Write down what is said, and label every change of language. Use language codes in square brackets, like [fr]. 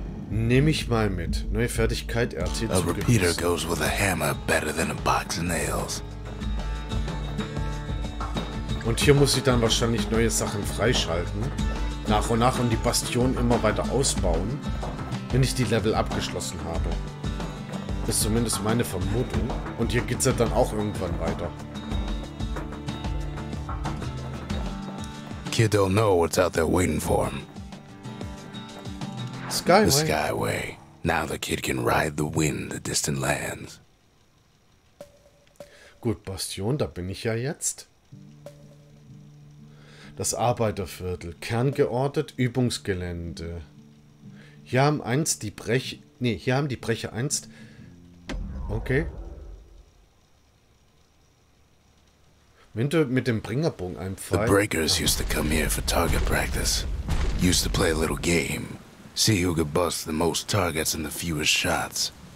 [de] Nehme ich mal mit. Neue Fertigkeit erzielt. [en] A repeater goes with a hammer better than a box of nails. [de] Und hier muss ich dann wahrscheinlich neue Sachen freischalten. Nach und nach und die Bastion immer weiter ausbauen, wenn ich die Level abgeschlossen habe. Ist zumindest meine Vermutung. Und hier geht's ja dann auch irgendwann weiter. [en] Kid don't know what's out there waiting for him. Skyway. The Skyway. Now the kid can ride the wind the distant lands. [de] Gut, Bastion, da bin ich ja jetzt. Das Arbeiterviertel, kerngeortet, Übungsgelände. Hier haben einst die Brecher... Nee, hier haben die Brecher einst... Okay. Wenn du mit dem Bringerbogen einfallst... [en] The Breakers used to come here for target practice. Used to play a little game. See who could bust the most targets in the fewest shots.